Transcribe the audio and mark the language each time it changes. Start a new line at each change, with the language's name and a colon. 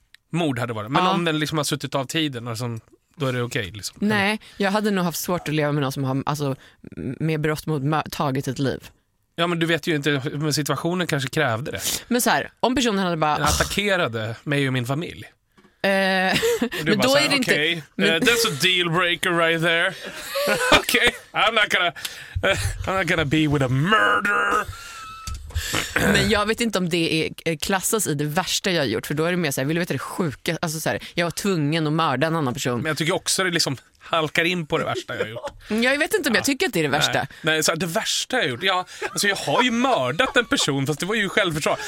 Swedish: Mord hade varit, men ja. Om den liksom har suttit av tiden, alltså, då är det okej okay, liksom. Nej, jag hade nog haft svårt att leva med någon som har, alltså, med brott mot tagit ett liv. Ja, men du vet ju inte, men situationen kanske krävde det. Men så här, om personen hade bara attackerade mig och min familj. Men då är det inte
English: that's a deal breaker right there. Okay, I'm not gonna be with a murderer.
Swedish: Men jag vet inte om det är klassas i det värsta jag har gjort, för då är det mer så här, vill du veta det sjuka, alltså så här, jag var tvungen att mörda en annan person. Men jag tycker också att det liksom halkar in på det värsta jag har gjort. Jag vet inte om jag tycker att det är det värsta. Nej, så här, det värsta jag har gjort. Ja, alltså jag har ju mördat en person, fast det var ju självförsvar.